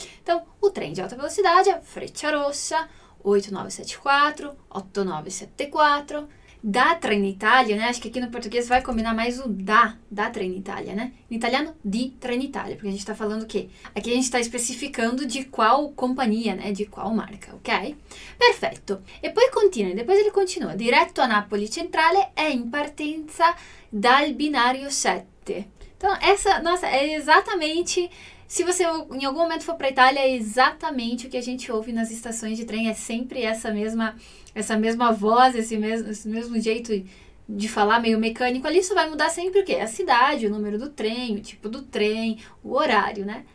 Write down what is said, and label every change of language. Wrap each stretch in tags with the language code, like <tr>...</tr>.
<pt>Então, o trem de alta velocidade é Freccia Rossa, 8974, 8974... Da Trenitalia, né? Acho que aqui no português vai combinar mais o da Trenitalia, né? Em italiano, di Trenitalia, porque a gente tá falando o quê? Aqui a gente tá especificando de qual companhia, né? De qual marca, ok? Perfeito.</pt> <it>E poi continua,</it> <pt>depois ele continua.</pt> <it>Diretto a Napoli Centrale è in partenza dal binario 7.</it> <pt>Então, essa, nossa, é exatamente... Se você em algum momento for pra Itália, é exatamente o que a gente ouve nas estações de trem. É sempre essa mesma voz, esse mesmo jeito de falar, meio mecânico ali. Isso vai mudar sempre o quê? A cidade, o número do trem, o tipo do trem, o horário, né?</pt>